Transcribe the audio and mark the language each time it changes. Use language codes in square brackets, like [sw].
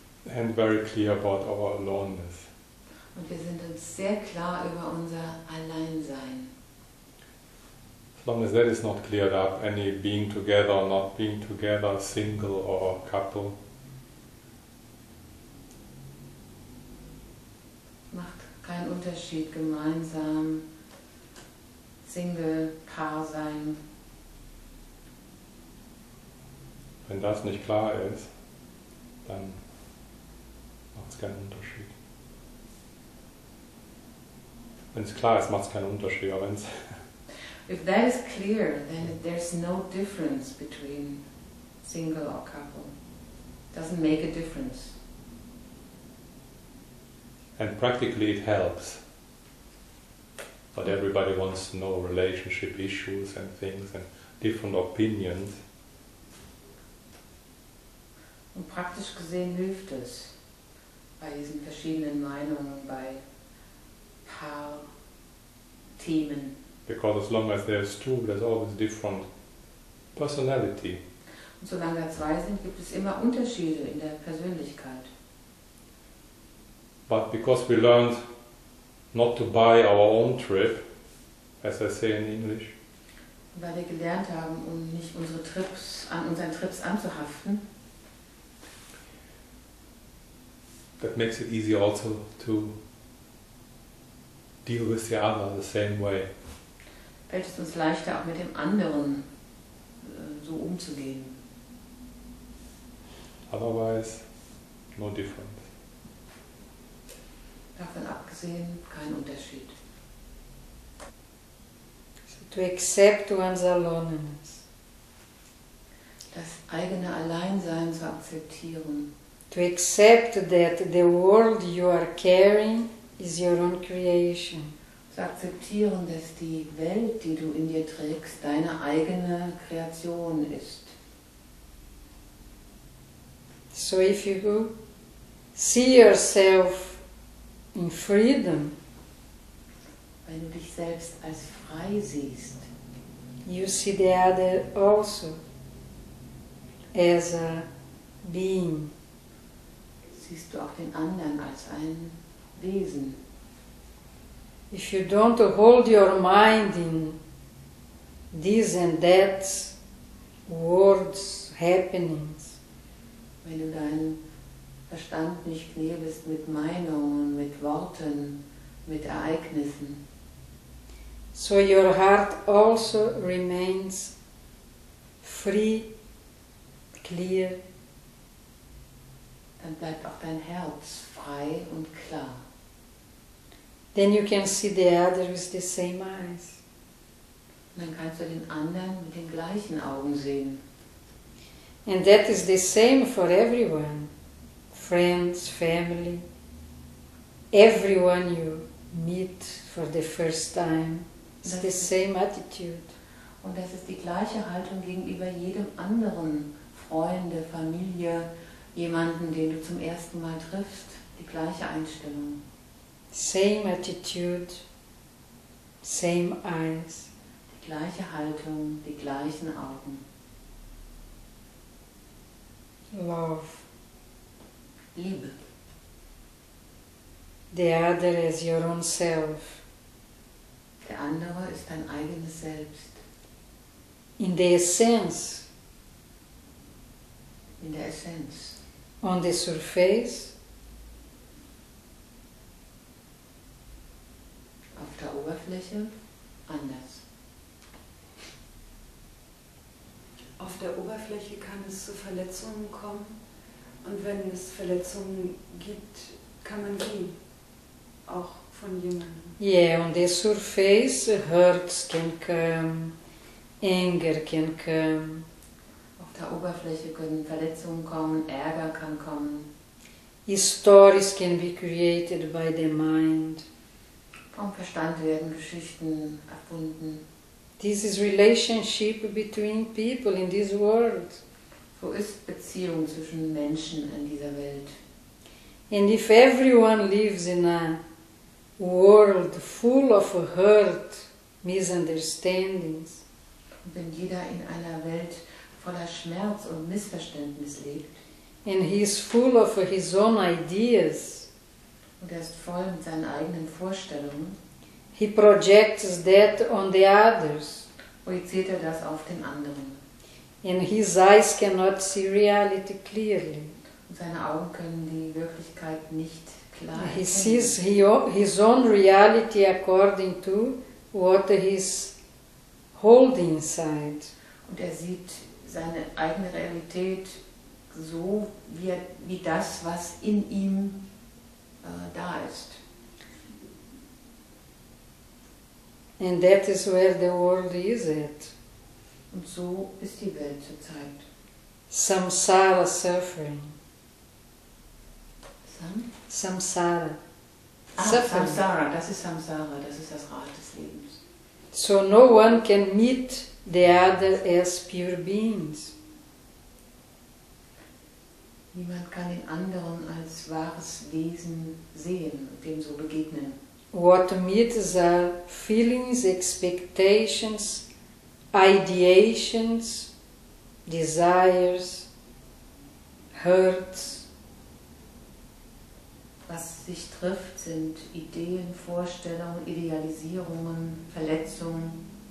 [en] And very clear about our aloneness. [de] Und wir sind uns sehr klar über unser Alleinsein. [en] As long as that is not cleared up, any being together or not being together, single or couple, [de] macht keinen Unterschied, gemeinsam, single, Paar sein. Wenn das nicht klar ist, dann macht es keinen Unterschied. Wenn es klar ist, macht es keinen Unterschied. Wenn's [en] if that is clear, then there's no difference between single or couple. Doesn't make a difference. And practically it helps. But everybody wants to know relationship issues and things and different opinions. [de] Und praktisch gesehen hilft es. Bei diesen verschiedenen Meinungen, bei Paar-Themen. [en] Because as long as there's two, there's always different personality. [de] Und solange da zwei sind, gibt es immer Unterschiede in der Persönlichkeit. [en] But because we learned not to buy our own trip, as I say in English. [de] Weil wir gelernt haben, um nicht unsere Trips, an unseren Trips anzuhaften. [en] That makes it easy also to deal with the other the same way. [de] Fällt es uns leichter, auch mit dem anderen so umzugehen. [en] Otherwise, no difference. [de] Davon abgesehen, kein Unterschied. [en] So to accept one's aloneness. [de] Das eigene Alleinsein zu akzeptieren. [en] To accept that the world you are carrying is your own creation. [de] Zu akzeptieren, dass die Welt, die du in dir trägst, deine eigene Kreation ist. [en] So if you see yourself in freedom, [de] wenn du dich selbst als frei siehst, [en] you see the other also as a being. [de] Siehst du auch den anderen als ein Wesen. [en] If you don't hold your mind in this and that words, happenings, [de] wenn du deinen Verstand nicht knebelst mit Meinungen, mit Worten, mit Ereignissen, [en] so your heart also remains free, clear, [de] dann bleibt auch dein Herz frei und klar. [en] Then you can see the other with the same eyes. [de] Und dann kannst du den anderen mit den gleichen Augen sehen. [en] And that is the same for everyone. Friends, family, everyone you meet for the first time. It's the same attitude. [de] Und das ist die gleiche Haltung gegenüber jedem anderen. Freunde, Familie, jemanden, den du zum ersten Mal triffst, die gleiche Einstellung. [en] Same attitude, same eyes. [de] Die gleiche Haltung, die gleichen Augen. [en] love. [de] Liebe. [en] The other is your own self. [de] Der andere ist dein eigenes Selbst. [en] In the essence. [de] In der Essenz. [en] On the surface. [de] Auf der Oberfläche anders. Auf der Oberfläche kann es zu Verletzungen kommen. Und wenn es Verletzungen gibt, kann man gehen. Auch von jemandem. [en] Yeah, on the surface, hurts can come, anger can come. [de] Auf der Oberfläche können Verletzungen kommen, Ärger kann kommen. [en] Stories can be created by the mind. [de] Vom Verstand werden Geschichten erfunden. [en] This is relationship between people in this world. [de] So ist Beziehung zwischen Menschen in dieser Welt. [en] And if everyone lives in a world full of hurt, misunderstandings, [de] wenn jeder in einer Welt voller Schmerz und Missverständnis lebt, [en] and he is full of his own ideas, [de] und er ist voll mit seinen eigenen Vorstellungen, [en] he projects that on the others. [de] Projiziert er das auf den anderen. [en] And his eyes cannot see reality clearly. [de] Und seine Augen können die Wirklichkeit nicht klar erkennen. [en] He sees his own reality according to what he's holding inside. [de] Und er sieht seine eigene Realität so, wie das, was in ihm da ist. [en] And that is where the world is at. [de] Und so ist die Welt zurzeit. [en] Samsara suffering. Samsara. Ah, suffering. [de] Samsara, das ist Samsara, das ist das Rad des Lebens. [en] So no one can meet the other as pure beings. [de] Niemand kann den anderen als wahres Wesen sehen und dem so begegnen. [en] What meets are feelings, expectations, ideations, desires, hurts. [de] Was sich trifft, sind Ideen, Vorstellungen, Idealisierungen, Verletzungen.